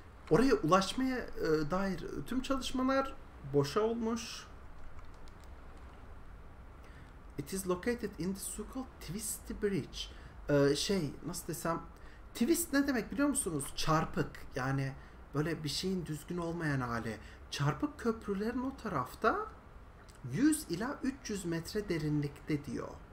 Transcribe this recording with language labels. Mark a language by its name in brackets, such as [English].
[Turkish] Oraya ulaşmaya dair tüm çalışmalar boşa olmuş. [English] It is located in the so-called Twist Bridge. [Turkish] Şey nasıl desem. Twist ne demek biliyor musunuz? Çarpık. Yani böyle bir şeyin düzgün olmayan hali. Çarpık köprülerin o tarafta 100 ila 300 metre derinlikte diyor.